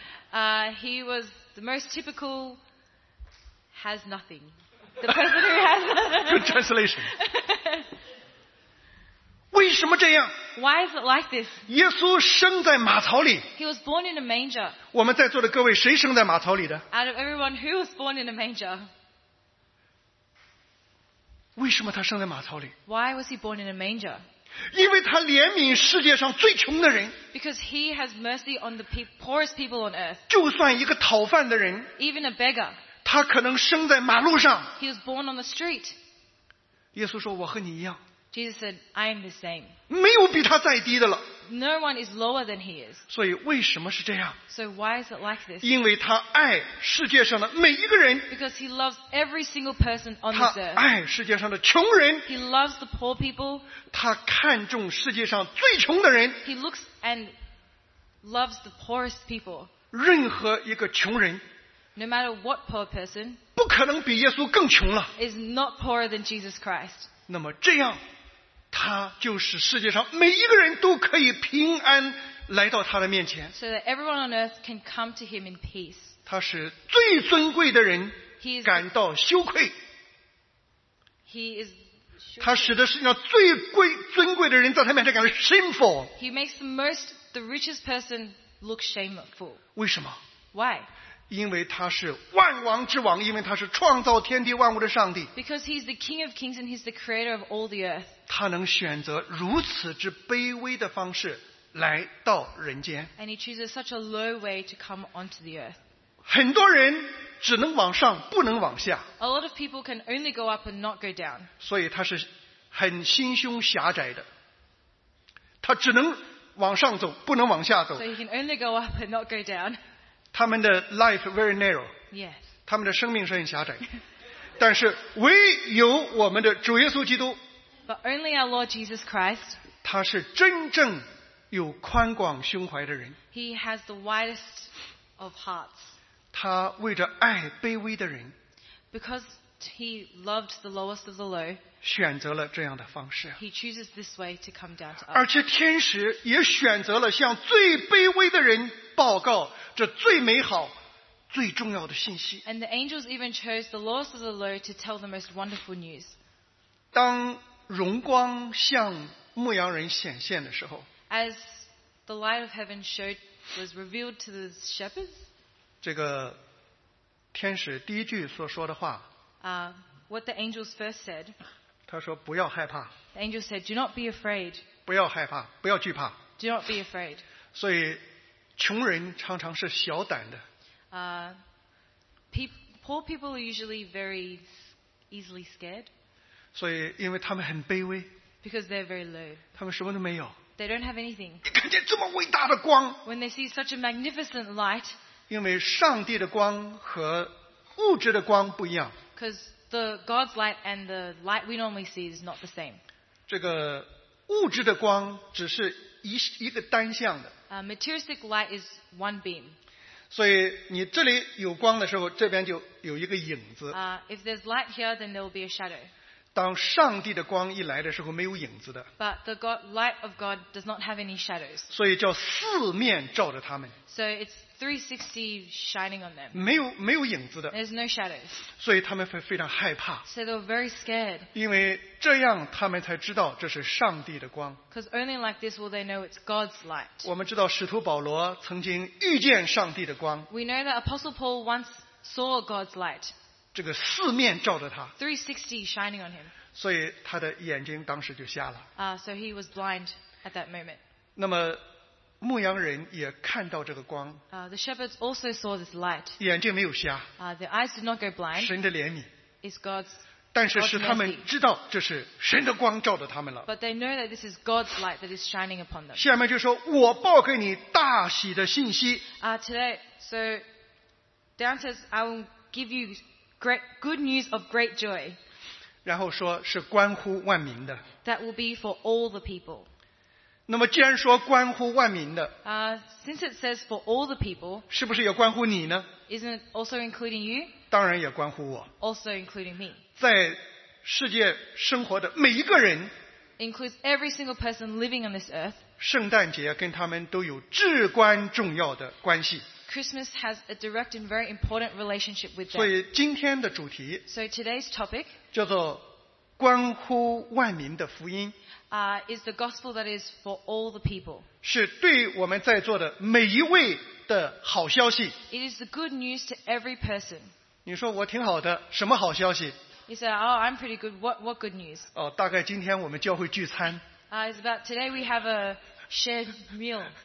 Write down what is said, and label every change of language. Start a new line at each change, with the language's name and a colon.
English: He was the most typical has nothing. The person who has good translation.
Chinese: 为什么这样？
English: Why is it like this?
Chinese: 耶稣生在马槽里。
English: He was born in a manger.
Chinese: 我们在座的各位，谁生在马槽里的？
English: Out of everyone, who was born in a manger?
Chinese: 为什么他生在马槽里？
English: Why was he born in a manger?
Chinese: 因为他怜悯世界上最穷的人。
English: Because he has mercy on the poorest people on earth.
Chinese: 就算一个讨饭的人，
English: Even a beggar.
Chinese: 他他可能生在马路上。
English: He was born on the street.
Chinese: 耶稣说：“我和你一样。”
English: Jesus said, "I am the same."
Chinese: 没有比他再低的了。
English: No one is lower than he is.
Chinese: 所以为什么是这样
English: ？So why is it like this?
Chinese: 因为他爱世界上的每一个人。
English: Because he loves every single person on this earth.
Chinese: 他爱世界上的穷人。
English: He loves the poor people.
Chinese: 他看重世界上最穷的人。
English: He looks and loves the poorest people.
Chinese: 任何一个穷人。
English: No matter what poor person,
Chinese: 不可能比耶稣更穷了。
English: Is not poorer than Jesus Christ.
Chinese: 那么这样，他就是世界上每一个人都可以平安来到他的面前。
English: So that everyone on earth can come to him in peace.
Chinese: 他是最尊贵的人，感到羞愧。
English: He is.
Chinese: 他使得世界上最贵尊贵的人在他面前感到
English: shameful. He makes the richest person look shameful.
Chinese: 为什么
English: ？Why?
Chinese: 因为他是万王之王，因为他是创造天地万物的上帝。
English: Because he's the King of Kings and he's the Creator of all the earth.
Chinese: 他能选择如此之卑微的方式来到人间。
English: And he chooses such a low way to come onto the earth.
Chinese: 很多人只能往上，不能往下。
English: A lot of people can only go up and not go down.
Chinese: 所以他是很心胸狭窄的，他只能往上走，不能往下走。
English: So he can only go up and not go down.
Chinese: 他们的
English: life very narrow. Yes.
Chinese: 他们的生命是很狭窄，但是唯有我们的主耶稣基督。
English: But only our Lord Jesus Christ.
Chinese: 他是真正有宽广胸怀的人。
English: He has the widest of hearts.
Chinese: 他为着爱卑微的人。
English: Because he loved the lowest of the low.
Chinese: 选择了这样的方式。
English: He chooses this way to come down to us.
Chinese: 而且天使也选择了向最卑微的人报告这最美好最重要的信息。
English: And the angels even chose the lowest of the low to tell the most wonderful news.
Chinese: 当荣光向牧羊人显现的时候，
English: As the light of heaven showed was revealed to the shepherds,
Chinese: 这个天使第一句所说的话，
English: What the angels first said,
Chinese: 他说不要害怕。
English: The angels said, Do not be afraid.
Chinese: 不要害怕，不要惧怕。
English: Do not be afraid.
Chinese: 所以穷人常常是小胆的。
English: Poor people are usually very easily scared.
Chinese: 所以因为他们很卑微。
English: Because they're very low.
Chinese: 他们什么都没有。
English: They don't have anything.
Chinese: 你看见这么伟大的光。
English: When they see such a magnificent light.
Chinese: 因为上帝的光和物质的光不一样。
English: Because the God's light and the light we normally see is not the same.
Chinese: 这个物质的光只是一个单向的。
English: Materialistic light is one beam.
Chinese: 所以你这里有光的时候，这边就有一个影子。
English: If there's light here, then there will be a shadow.
Chinese: 当上帝的光一来的时候，没有影子的。
English: But the light of God does not have any shadows.
Chinese: 所以叫四面照着他们。
English: So it's 360 shining on them.
Chinese: 没有影子的。
English: There's no shadows.
Chinese: 所以他们会非常害怕。
English: So they were very scared.
Chinese: 因为这样他们才知道这是上帝的光。
English: Because only like this will they know it's God's light.
Chinese: 我们知道使徒保罗曾经遇见上帝的光。
English: We know that Apostle Paul once saw God's light.
Chinese: 这个四面照着他。
English: 360 shining on him.
Chinese: 所以他的眼睛当时就瞎了。
English: So he was blind at that moment.
Chinese: 那么牧羊人也看到这个光。
English: The shepherds also saw this light.
Chinese: 眼睛没有瞎。
English: Their eyes did not go blind.
Chinese: 神的怜悯。
English: It's God's.
Chinese: 但是使他们知道这是神的光照着他们了。
English: But they know that this is God's light that is shining upon them.
Chinese: 下面就说我报给你大喜的信息。
English: Today, so down says I will give you good news of great joy.
Chinese: 然后说是关乎万民的。
English: That will be for all the people.
Chinese: 那么既然说关乎万民的，
English: since it says for all the people,
Chinese: 是不是也关乎你呢？
English: Isn't it also including you?
Chinese: 当然也关乎我。
English: Also including me.
Chinese: 在世界生活的每一个人，
English: includes every single person living on this earth.
Chinese: 圣诞节跟他们都有至关重要的关系。
English: Christmas has a direct and very important relationship with them.
Chinese: 所以今天的主题，
English: so today's topic,
Chinese: 叫做关乎万民的福音。
English: Is the gospel that is for all the people.
Chinese: 是对我们在座的每一位的好消息。
English: It is the good news to every person.
Chinese: 你说我挺好的，什么好消息？
English: You say, oh, I'm pretty good. What good news?
Chinese: 哦，大概今天我们教会聚餐。
English: It's about today we have a shared meal.